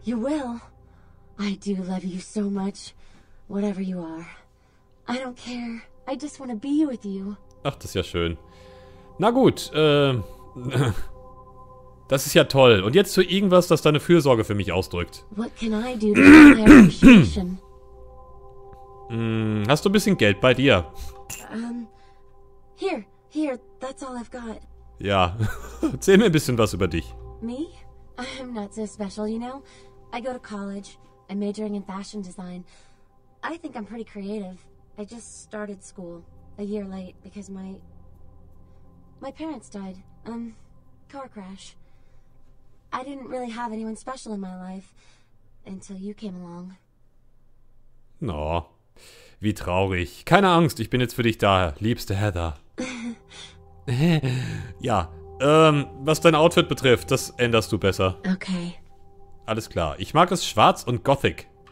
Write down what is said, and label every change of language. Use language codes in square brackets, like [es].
[en] You will. I do love you so much. Whatever you are. I don't care. I just want to be with you. [de] Ach, das ist ja schön. Na gut, das ist ja toll. Und jetzt zu irgendwas, das deine Fürsorge für mich ausdrückt. [en] What can I do to show my appreciation? [de] Hast du ein bisschen Geld bei dir? [en] Here, that's all I've got. [de] Ja, erzähl mir ein bisschen was über dich. [en] Me? I'm not so special, you know? I go to college. I'm majoring in fashion design. I think I'm pretty creative. I just started school a year late because my parents died. Car crash. I didn't really have anyone special in my life until you came along. [de] No. Wie traurig. Keine Angst, ich bin jetzt für dich da, liebste Heather. Ja, was dein Outfit betrifft, das änderst du besser. [en] Okay. [de] Alles klar. Ich mag es schwarz und gothic.